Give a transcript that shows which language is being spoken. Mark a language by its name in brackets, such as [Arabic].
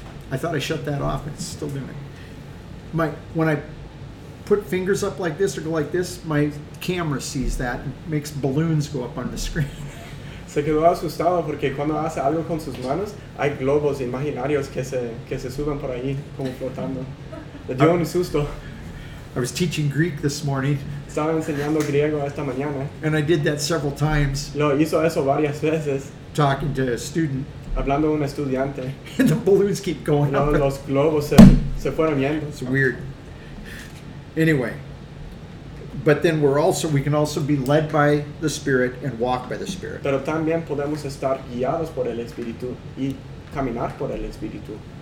[English] I thought I shut that off, but it's still doing it. When I put fingers up like this or go like this, my camera sees that and makes balloons go up on the screen. [Spanish] Se quedó asustado porque cuando hace algo con sus manos, hay globos imaginarios que se suben por ahí como flotando. Le dio un susto. [English] I was teaching Greek this morning. [Spanish] Estaba enseñando griego esta mañana. [English] And I did that several times. [Spanish] Lo hizo eso varias veces. [English] Talking to a student. [Spanish] Hablando a un estudiante. [English] And the balloons keep going up. [Spanish] Los globos se fueron yendo. [English] It's weird. Anyway, but then we can also be led by the Spirit and walk by the Spirit. [Spanish] Pero también podemos estar guiados por el Espíritu y caminar por el Espíritu.